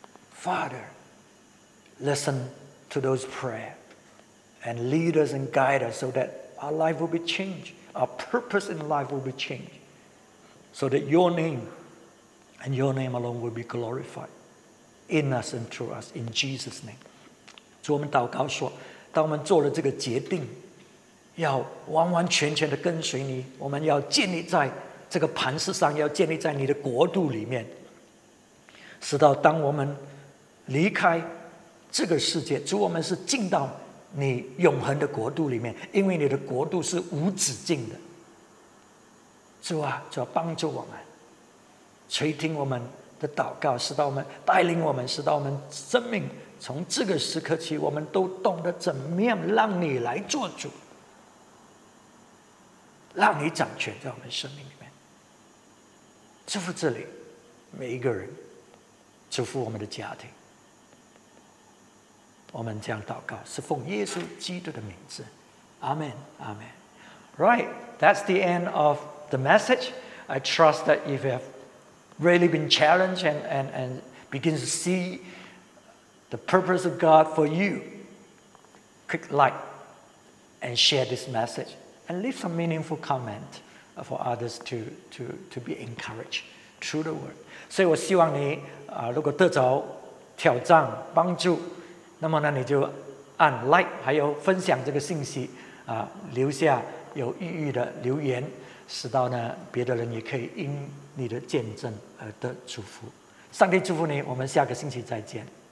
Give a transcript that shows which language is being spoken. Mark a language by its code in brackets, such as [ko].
[en] Father, listen to those prayers and lead us and guide us so that our life will be changed, our purpose in life will be changed, so that your name and your name alone will be glorified in us and through us, in Jesus' name. [zh] 主我们祷告说, 当我们做了这个决定, 要完完全全地跟随你, 我们要建立在 这个磐石上, 要建立在你的国度里面, 使到当我们离开这个世界, 主我们是进到你永恒的国度里面, 因为你的国度是无止境的。主啊, 主要帮助我们, 垂听我们的祷告, 使到我们, 带领我们, 使到我们生命, 从这个时刻起, 我们都懂得怎么样让你来做主, 让你掌权在我们生命里。祝福这里每一个人，祝福我们的家庭。我们这样祷告，是奉耶稣基督的名字，阿门，阿门。 [en] Right, that's the end of the message. I trust that if you have really been challenged and begin to see the purpose of God for you, click like and share this message and leave some meaningful comment. for others to be encouraged through the word. [zh] 所以我希望你、如果得着挑战帮助，那么呢你就按 like 还有分享这个信息、留下有意义的留言，使到呢别的人也可以因你的见证而得祝福。上帝祝福你，我们下个星期再见。